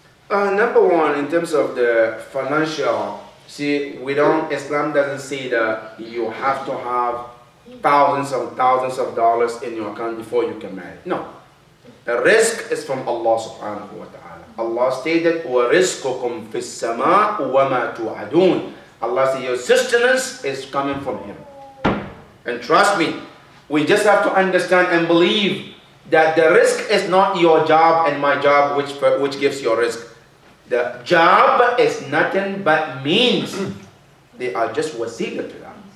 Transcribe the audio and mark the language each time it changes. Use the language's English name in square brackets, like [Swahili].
[English] Number one, in terms of the financial, see, Islam doesn't say that you have to have thousands and thousands of dollars in your account before you can marry. No. The risk is from Allah subhanahu wa ta'ala. Allah stated, [Arabic] وَرِزْقُكُمْ فِي السَّمَاءُ وَمَا تُوْعَدُونَ. [English] Allah said, your sustenance is coming from Him. And trust me, we just have to understand and believe that the risk is not your job and my job which gives your risk. The job is nothing but means. They are just wasila to them.